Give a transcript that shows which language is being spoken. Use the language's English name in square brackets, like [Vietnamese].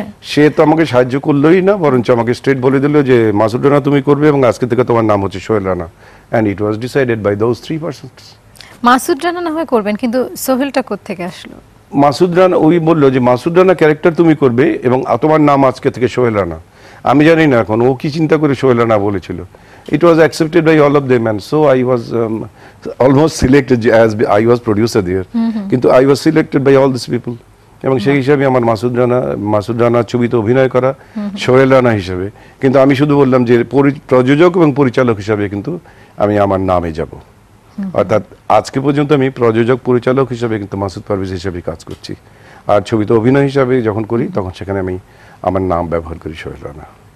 [Bangla] সে তো আমাকে সাহায্য করলোই না, বরঞ্চ আমাকে স্ট্রেট বলে দিল যে মাসুদ রানা তুমি করবে এবং আজকে থেকে তোমার নাম হচ্ছে Sohel Rana, [English] And it was decided by those 3 person. [Bangla] Masud Rana না হয় করবেন, কিন্তু সোহেলটা কোত্থেকে আসলো? মাসুদ রানা ওই বললো যে মাসুদ রানা ক্যারেক্টার তুমি করবে এবং তোমার নাম আজকে থেকে সোহেল রানা। আমি জানি না এখন ও কি চিন্তা করে সোহেল রানা বলেছিল, [English] it was accepted by all of them, and so I was almost selected as I was producer there. [Bangla] Kintu [English] I was selected by all these people. [Bangla] এবং সেই হিসাবে আমার মাসুদ রানা ছবিতে অভিনয় করা সোহেল রানা হিসাবে, কিন্তু আমি শুধু বললাম যে প্রযোজক এবং পরিচালক হিসাবে কিন্তু আমি আমার নামে যাব। অর্থাৎ আজকে পর্যন্ত আমি প্রযোজক পরিচালক হিসাবে কিন্তু মাসুদ পারভেজ হিসাবে কাজ করছি, আর ছবিতে অভিনয় হিসাবে যখন করি তখন সেখানে আমি আমার নাম ব্যবহার করি সোহেল রানা।